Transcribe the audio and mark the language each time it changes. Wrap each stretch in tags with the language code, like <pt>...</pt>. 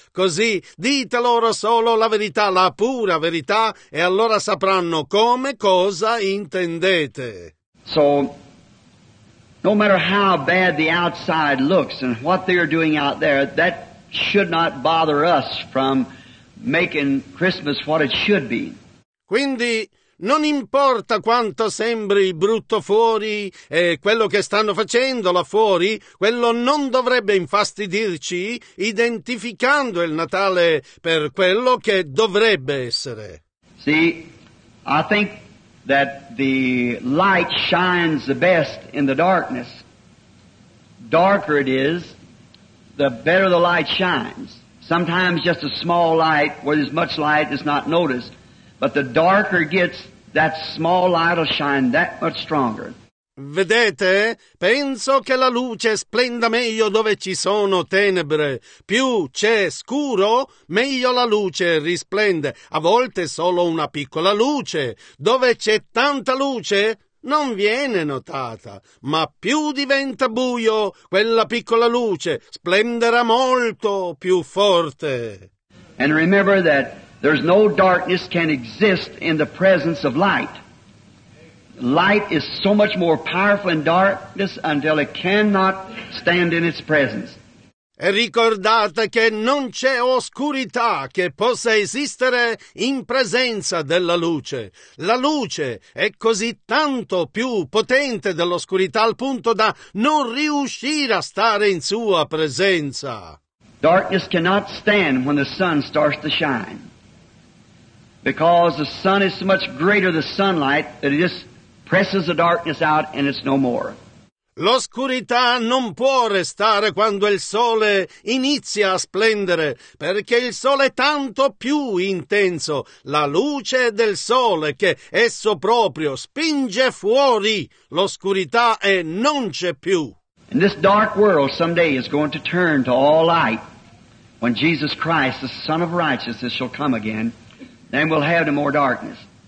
<it>Così dite loro solo la verità, la pura verità, e allora sapranno come cosa intendete.</it> <en>So, no matter how bad the outside looks and what they're doing out there, that should not bother us from making Christmas what it should be.</en> <it>Quindi non importa quanto sembri brutto fuori e quello che stanno facendo là fuori, quello non dovrebbe infastidirci identificando il Natale per quello che dovrebbe essere.</it> <en>See, I think that the light shines the best in the darkness. Darker it is, the better the light shines. Sometimes just a small light, where there's much light, is not noticed. But the darker it gets, that small light will shine that much stronger.</en> <it>Vedete, penso che la luce splenda meglio dove ci sono tenebre. Più c'è scuro, meglio la luce risplende. A volte solo una piccola luce. Dove c'è tanta luce, non viene notata. Ma più diventa buio, quella piccola luce splenderà molto più forte.</it> <en>And remember that there's no darkness can exist in the presence of light. Light is so much more powerful in darkness until it cannot stand in its presence.</en> <it>E ricordate che non c'è oscurità che possa esistere in presenza della luce. La luce è così tanto più potente dell'oscurità al punto da non riuscire a stare in sua presenza.</it> <en>Darkness cannot stand when the sun starts to shine. Because the sun is so much greater than sunlight that it just presses the darkness out and it's no more.</en> <it>L'oscurità non può restare quando il sole inizia a splendere, perché il sole è tanto più intenso, la luce del sole che esso proprio spinge fuori l'oscurità e non c'è più.</it> <en>And this dark world someday is going to turn to all light when Jesus Christ, the Son of Righteousness, shall come again, then we'll have no more darkness.</en>